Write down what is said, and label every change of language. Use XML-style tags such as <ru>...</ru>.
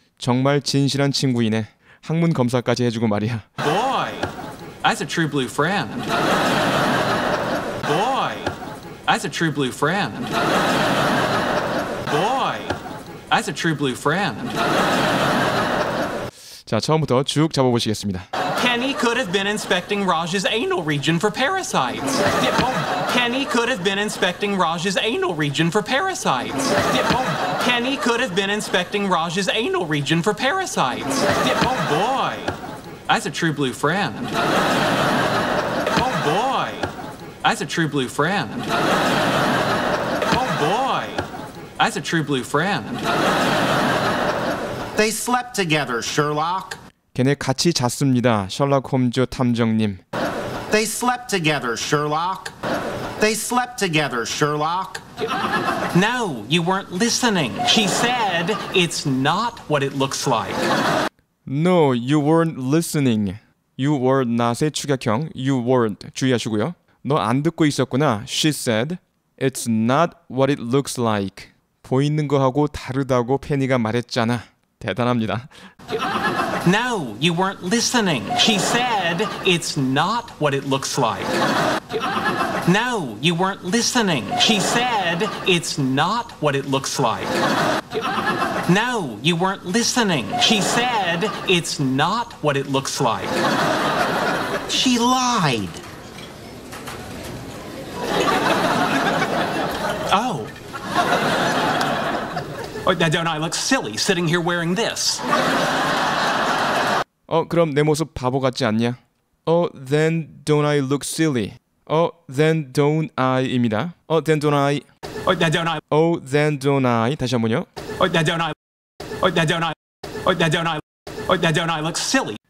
<ko>정말 진실한 친구이네. 항문 검사까지 해주고 말이야.</ko> <en>Boy. That's a true blue friend. Boy. That's a true blue friend. Boy. That's a true blue friend.</en> <ko>자, 처음부터 쭉 잡아 보시겠습니다.</ko> <en>Penny could have been inspecting Raj's anal region for parasites. Penny could have been inspecting Raj's anal region for parasites. Penny could have been inspecting Raj's anal region for parasites. Oh boy. That's a true blue friend. Oh boy. That's a true blue friend. Oh boy. That's a true blue friend. They slept together, Sherlock.</en> <ko>걔네 같이 잤습니다. 셜록 홈즈 탐정님.</ko> <en>They slept together, Sherlock. They slept together, Sherlock. No, you weren't listening. She said it's not what it looks like. No, you weren't listening. You were not의 축약형. You weren't.</en> <ko>주의하시고요. 너 안 듣고 있었구나.</ko> <en>She said, It's not what it looks like.</en> <ko>보이는 거하고 다르다고 페니가 말했잖아. 대단합니다.</ko> <en>No, you weren't listening. She said, It's not what it looks like. No, you weren't listening. She said, It's not what it looks like. No, you weren't listening. She said, it's not what it looks like. She lied. Oh. Oh, now don't I look silly sitting here wearing this?</en> <ko>어, 그럼 내 모습 바보 같지 않냐?</ko> <en>Oh, then don't I look silly? Oh, then don't I입니다. Oh, then don't I. Oh, now don't I. Oh, then don't I.</en> <ko>다시 한 번요.</ko> <en>Oh, now don't I. Now don't I look silly?</en>